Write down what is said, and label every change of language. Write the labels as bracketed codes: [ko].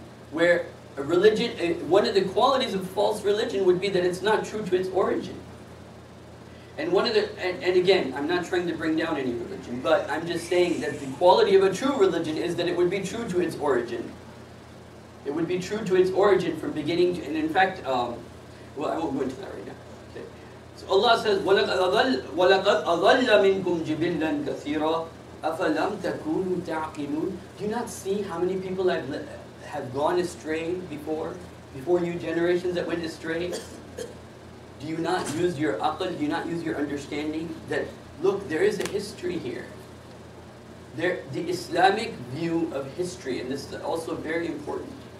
[en] where a religion, one of the qualities of false religion would be that it's not true to its origin. And one of the, and again, I'm not trying to bring down any religion, but I'm just saying that the quality of a true religion is that it would be true to its origin. It would be true to its origin from beginning to, and in fact, well, I won't go into that right now. Okay. So Allah says, [ar] وَلَقَدْ أَضَلَّ مِنْكُمْ جِبِلًّا كَثِيرًا أَفَلَمْ تَكُونُوا تَعْقِلُونَ. [en] Do you not see how many people have gone astray before you, generations that went astray? Do you not use your aql? Do you not use your understanding? That, look, there is a history here. There, the Islamic view of history, and this is also very important.